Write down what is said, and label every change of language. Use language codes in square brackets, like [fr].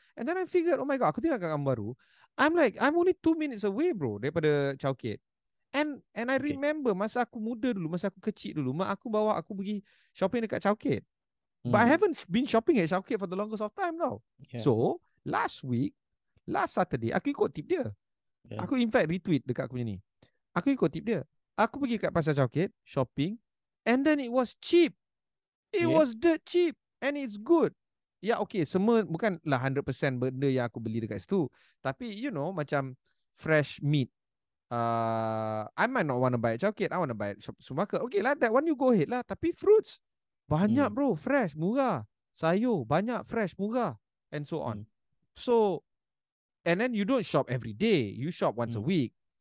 [en] And then I figured, oh my God, [ms] aku tengok kat gambar baru, [en] I'm like, I'm only 2 minutes away bro daripada Chowkit. And I remember [ms] masa aku muda dulu, masa aku kecil dulu, mak aku bawa aku pergi shopping dekat Chowkit. [en] But I haven't been shopping at Chowkit for the longest of time tau. Yeah. So, last week, last Saturday, [ms] aku ikut tip dia. Aku in fact retweet dekat aku punya ni. Aku ikut tip dia. Aku pergi kat Pasar Chowkit, shopping, and then it was cheap. [en] It was dirt cheap. And it's good. Ya, okay. [ms] Semua, bukanlah 100% benda yang aku beli dekat situ. [en] Tapi, you know, macam fresh meat. I might not want to buy at Chowkit. I want to buy at supermarket. Okay lah, that one you go ahead lah. Tapi fruits, banyak bro. Fresh, murah. [ms] Sayur, banyak. Fresh, murah. [en] And so on. So, and then you don't shop every day. You shop once a week.